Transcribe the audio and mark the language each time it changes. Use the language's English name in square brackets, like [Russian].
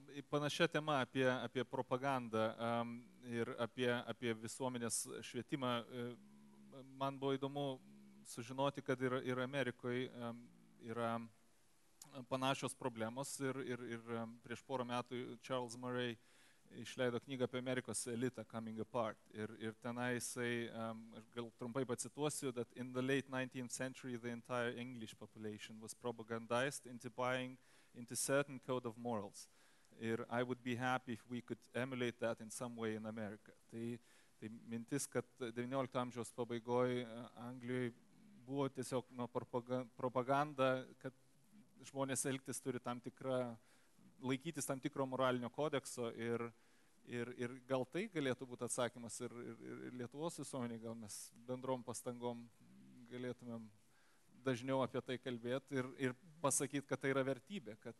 [Lithuanian] Panašia tema apie propagandą ir apie visuomenės švietimą. Man buvo įdomu sužinoti, kad ir Amerikoje yra panašios problemos ir prieš porą metų Charles Murray išleido knygą apie Amerikos elitą Coming Apart. Ir tenai jisai, gal trumpai pacituosiu, [English] that in the late 19th century the entire English population was propagandized into buying into certain code of morals. [Lithuanian] Ir [English] I would be happy if we could emulate that in some way in America. [Lithuanian] Tai mintis, kad 19 amžiaus pabaigoje Anglijoje buvo tiesiog propaganda, kad žmonės elgtis turi tam tikrą, laikytis tam tikro moralinio kodekso ir gal tai galėtų būti atsakymas ir Lietuvos visuomenėje, gal mes bendrom pastangom galėtumėm dažniau apie tai kalbėti ir pasakyti, kad tai yra vertybė.